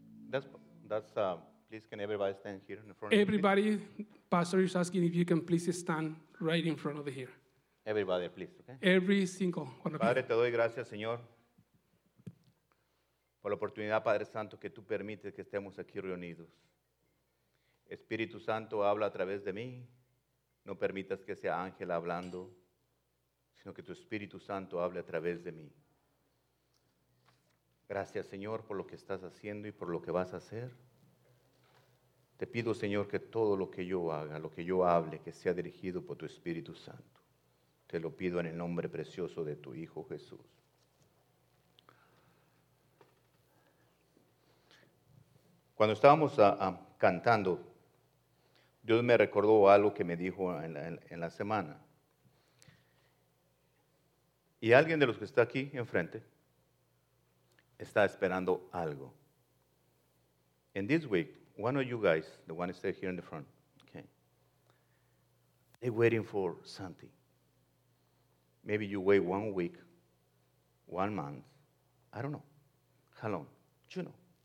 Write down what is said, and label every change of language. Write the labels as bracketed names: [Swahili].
[English] That's please can everybody stand here in front of everybody, pastor is asking if you can please stand right in front of the here. Everybody, please, okay? Every single. [Spanish] Padre, te doy gracias, Señor, por la oportunidad, Padre Santo, que tú permites que estemos aquí reunidos. Espíritu Santo, habla a través de mí. No permitas que sea ángel hablando, sino que tu Espíritu Santo hable a través de mí. Gracias, Señor, por lo que estás haciendo y por lo que vas a hacer. Te pido, Señor, que todo lo que yo haga, lo que yo hable, que sea dirigido por tu Espíritu Santo. Te lo pido en el nombre precioso de tu Hijo Jesús. Cuando estábamos cantando, Dios me recordó algo que me dijo en la semana. Y alguien de los que está aquí enfrente está esperando algo. [English] In this week, one of you guys, the one that's here in the front, okay, they're waiting for something. Maybe you wait 1 week, 1 month, I don't know. How long? You know.